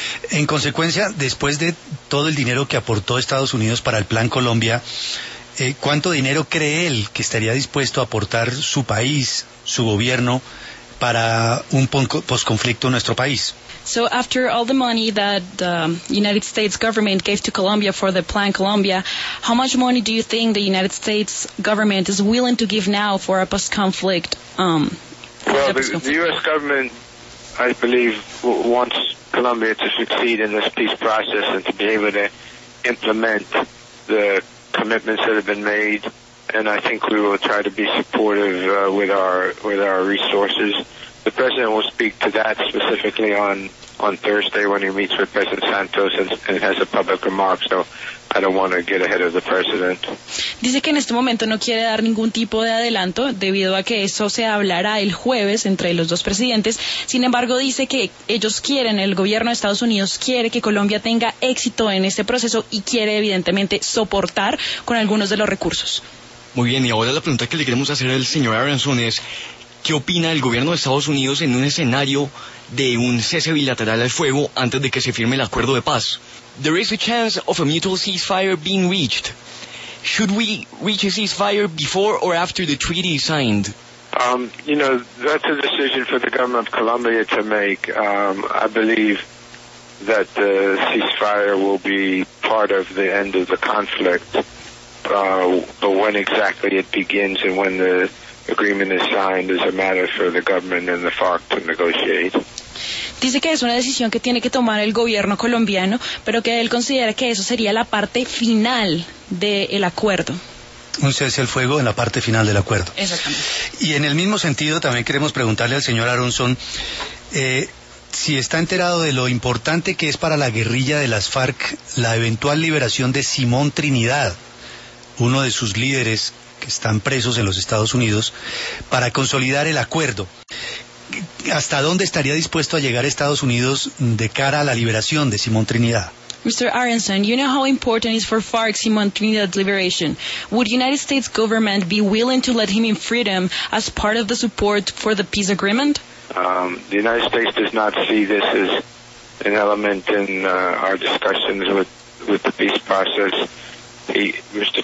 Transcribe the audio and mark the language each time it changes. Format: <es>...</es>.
<es>En consecuencia, después de todo el dinero que aportó Estados Unidos para el Plan Colombia, ¿cuánto dinero cree él que estaría dispuesto a aportar su país, su gobierno, para un posconflicto en nuestro país?</es> <en>So after all the money that the United States government gave to Colombia for the Plan Colombia, how much money do you think the United States government is willing to give now for a post-conflict? The U.S. government, I believe, wants Colombia to succeed in this peace process and to be able to implement the commitments that have been made. And I think we will try to be supportive with our resources. The president will speak to that specifically on Thursday when he meets with President Santos and has a public remark, so I don't want to get ahead of the president.</en> <es>Dice que en este momento no quiere dar ningún tipo de adelanto debido a que eso se hablará el jueves entre los dos presidentes. Sin embargo, dice que ellos quieren, el gobierno de Estados Unidos quiere que Colombia tenga éxito en este proceso y quiere evidentemente soportar con algunos de los recursos. Muy bien, y ahora la pregunta que le queremos hacer al señor Aronson es, ¿qué opina el gobierno de Estados Unidos en un escenario de un cese bilateral al fuego antes de que se firme el acuerdo de paz?</es> <en>There is a chance of a mutual ceasefire being reached. Should we reach a ceasefire before or after the treaty is signed? You know, that's a decision for the government of Colombia to make. I believe that the ceasefire will be part of the end of the conflict. But when exactly it begins and when the agreement is signed is a matter for the government and the FARC to negotiate.</en> <es>Dice que es una decisión que tiene que tomar el gobierno colombiano, pero que él considera que eso sería la parte final del acuerdo. un cese al fuego en la parte final del acuerdo. Exactamente. Y en el mismo sentido también queremos preguntarle al señor Aronson si está enterado de lo importante que es para la guerrilla de las FARC la eventual liberación de Simón Trinidad, uno de sus líderes que están presos en los Estados Unidos, para consolidar el acuerdo. ¿Hasta dónde estaría dispuesto a llegar Estados Unidos de cara a la liberación de Simón Trinidad?</es> <en>Mr. Aronson, you know how important it is for FARC Simón Trinidad's liberation. Would United States government be willing to let him in freedom as part of the support for the peace agreement? The United States does not see this as an element in our discussions with the peace process. Mr.</en>